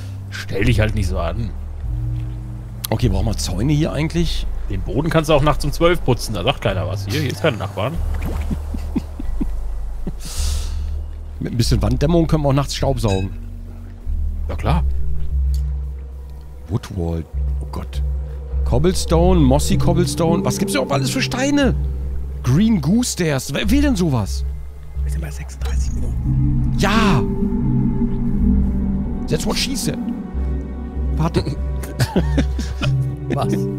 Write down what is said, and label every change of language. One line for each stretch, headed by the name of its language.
German: Stell dich halt nicht so an. Okay, brauchen wir Zäune hier eigentlich? Den Boden kannst du auch nachts um 12 putzen, da sagt keiner was. Hier ist kein Nachbarn. Mit ein bisschen Wanddämmung können wir auch nachts Staub saugen. Ja klar. Woodwall. Oh Gott. Cobblestone, Mossy Cobblestone. Was gibt's denn auch alles für Steine? Green Goosters. Wer will denn sowas? Wir sind bei 36 Minuten. Ja!
English: That's what she said.
German: Warte. Was?